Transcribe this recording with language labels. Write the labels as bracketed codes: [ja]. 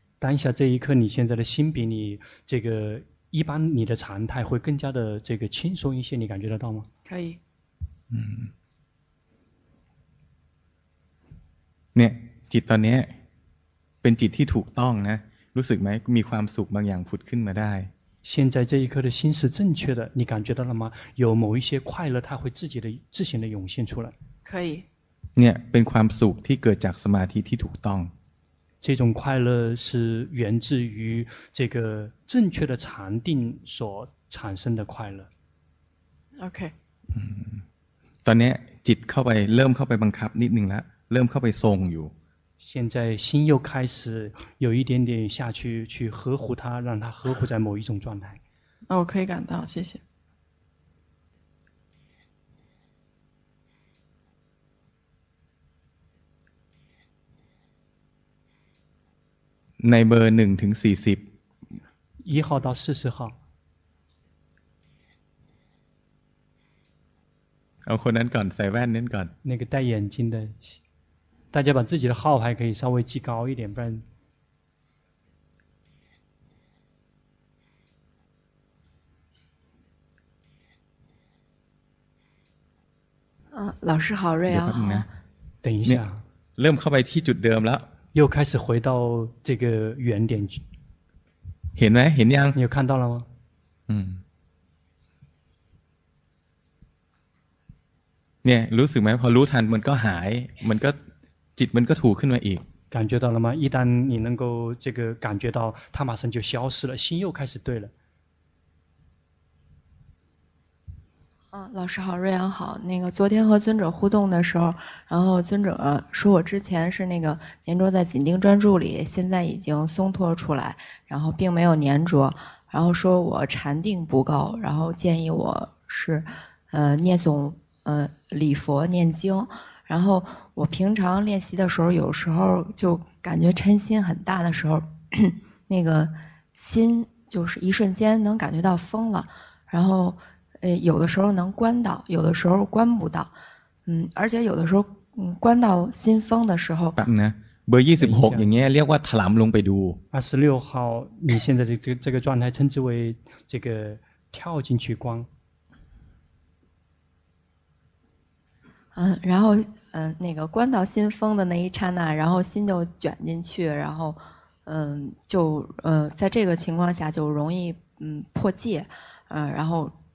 [zh] 当下这一刻你现在的心比你这个一般你的常态会更加的这个轻松一些你感觉得到吗可以 [th] เนี่ยจิตตอนนี้เป็นจิตที่ถูกต้องนะรู้สึกไหมมีความสุขบางอย่างผุดขึ้นมาได้ [zh] 现在这一刻的心是正确的你感觉到了吗有某一些快乐它会自行的涌现出来可以 [th] เนี่ยเป็นความสุขที่เกิดจากสมาธิที่ถูกต้อง [zh] 这种快乐是源自于这个正确的禅定所产生的快乐 [en] OK [th] ตอนนี้จิตเริ่มเข้าไปบังคับนิดนึงแล้วเริ่มเข้าไปทรงอยู่ [zh] 现在心又开始有一点点下去呵护它让它呵护在某一种状态那我可以感到谢谢 [th] ในเบอร์1ถึง40 [zh] 1号到40号 [th] เอาคนนั้นก่อนใส่แว่นนั้นก่อน [zh] 那个戴眼镜的大家把自己的号牌可以稍微记高一点不然老师好瑞阳好等一下 [th] เริ่มเข้าไปที่จุดเดิมแล้ว [zh] 又开始回到这个原点去。看没？看见？你有看到了吗？嗯。你， [th] รู้สึกไหม？พอรู้ทัน，มันก็หาย，มันก็จิต，มันก็ถูกขึ้นมาอีก。 [zh] 感觉到了吗？一旦你能够这个感觉到，它马上就消失了，心又开始对了。老师好，瑞阳好。那个昨天和尊者互动的时候，然后尊者说我之前是那个粘着在紧盯专注里，现在已经松脱出来，然后并没有粘着，然后说我禅定不够，然后建议我是念诵礼佛念经。然后我平常练习的时候，有时候就感觉嗔心很大的时候，那个心就是一瞬间能感觉到疯了，然后。有的时候能关到，有的时候关不到，而且有的时候关到心疯的时候。等等， [th] เบอร์ยี่สิบหกอย่างเงี้ยเรียกว่าถลำลงไปดู。 [zh] 二十六号，你现在的这个状态称之为这个跳进去关。然后那个关到心疯的那一刹那，然后心就卷进去，然后就在这个情况下就容易破戒，然后。